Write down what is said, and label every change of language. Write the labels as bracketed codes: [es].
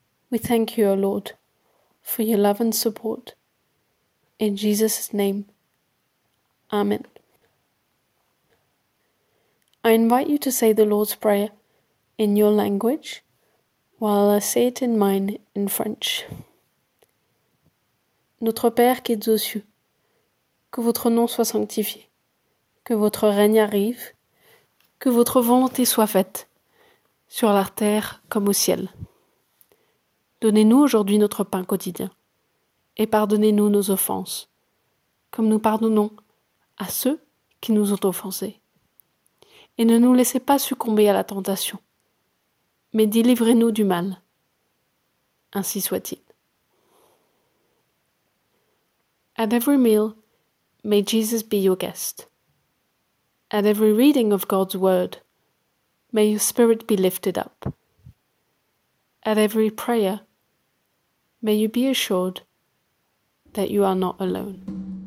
[en] We thank you, O Lord, for your love and support. In Jesus' name, amen. I invite you to say the Lord's Prayer in your language while I say it in mine in French. [fr] Notre Père qui es aux cieux, que votre nom soit sanctifié, que votre règne arrive, que votre volonté soit faite, sur la terre comme au ciel. Donnez-nous aujourd'hui notre pain quotidien et pardonnez-nous nos offenses, comme nous pardonnons à ceux qui nous ont offensés. Et ne nous laissez pas succomber à la tentation, mais délivrez-nous du mal. Ainsi soit-il. [en] At every meal, may Jesus be your guest. At every reading of God's word, may your spirit be lifted up. At every prayer, may you be assured that you are not alone.